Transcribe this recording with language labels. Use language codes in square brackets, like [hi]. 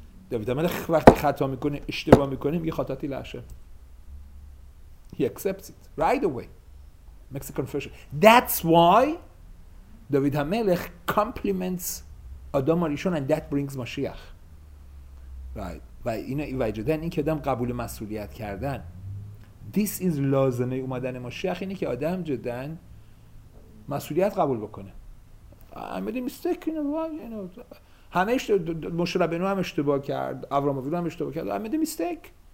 [fa] داوید HaMelech وقتی خطا میکنه، اشتباه میکنه، میگه [he] خطاتی لعشه. [en] He accepts it right away. Makes a confession. That's why David HaMelech compliments Adam HaRishon and that brings Mashiach. Right. [fa] و اینا وجودن این که آدم قبول مسئولیت کردن. [en] This is [fa] لازمه اومدن مشیخ، اینه که آدم جدن مسئولیت قبول بکنه. [en] I made a mistake, you know, why, you know. [fa] همه مشه ربنو هم اشتباه کرد. آبراهام اوینو هم اشتباه کرد. [en] I made a mistake.